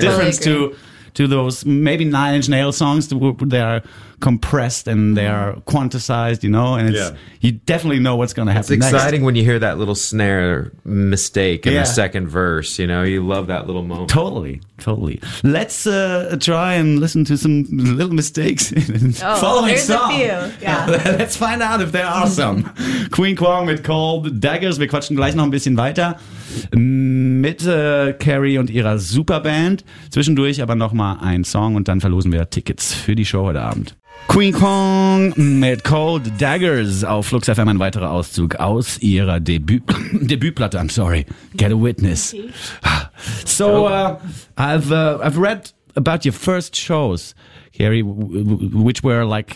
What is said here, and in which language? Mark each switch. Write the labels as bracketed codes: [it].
[en] difference to those maybe Nine Inch Nails songs that are compressed and they are quantized, you know, and you definitely know what's going to happen. It's exciting next. When you hear that little snare mistake in the second verse, you know, you love that little moment. Totally. Let's try and listen to some little mistakes in the following song. There's a few. Let's find out if there are some. Queen Kwong with Cold Daggers. [de] Wir quatschen gleich noch ein bisschen weiter mit Carrie und ihrer Superband. Zwischendurch aber nochmal ein Song und dann verlosen wir Tickets für die Show heute Abend. Queen Kwong mit Cold Daggers auf Flux FM, ein weiterer Auszug aus ihrer Debütplatte. [en] I'm sorry. Get a witness. So, I've read about your first shows, Carrie, which were like...